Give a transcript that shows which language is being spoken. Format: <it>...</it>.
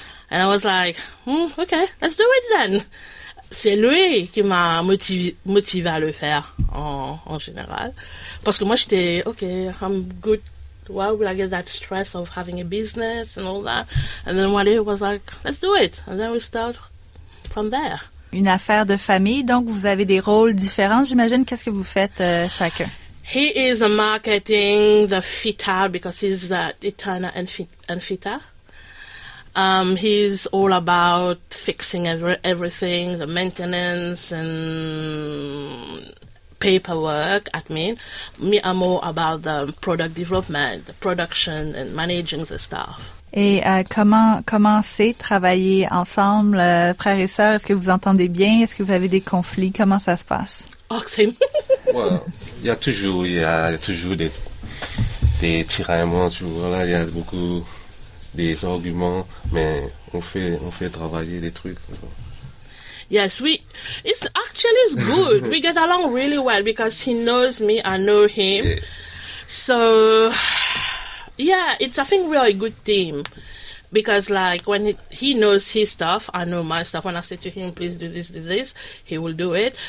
<en>And I was like, okay, let's do it then.</en> <fr>C'est lui qui m'a motivé à le faire en général. Parce que moi, j'étais, okay,</fr> <en>I'm good. Why would I get that stress of having a business and all that? And then Wally was like, let's do it. And then we start from there.</en> <fr>Une affaire de famille, donc vous avez des rôles différents, j'imagine. Qu'est-ce que vous faites chacun?</fr> <en>He is a marketing, the Fita, because he's the Eterna and Fita. He's all about fixing everything, the maintenance and paperwork, admin. Me, I'm more about the product development, the production and managing the staff.</en> <fr>Et comment c'est travailler ensemble, frères et sœurs? Est-ce que vous entendez bien? Est-ce que vous avez des conflits? Comment ça se passe? Oh, c'est... Well, il y a toujours des tiraillements, tu vois, là, il y a beaucoup... des arguments, mais on fait travailler des trucs.</fr> <en>Yes, it's good. We get along really well because he knows me, I know him. Yeah. So, yeah, it's, I think, really a good team. Because, like, when he knows his stuff, I know my stuff. When I say to him, please do this, he will do it.</en>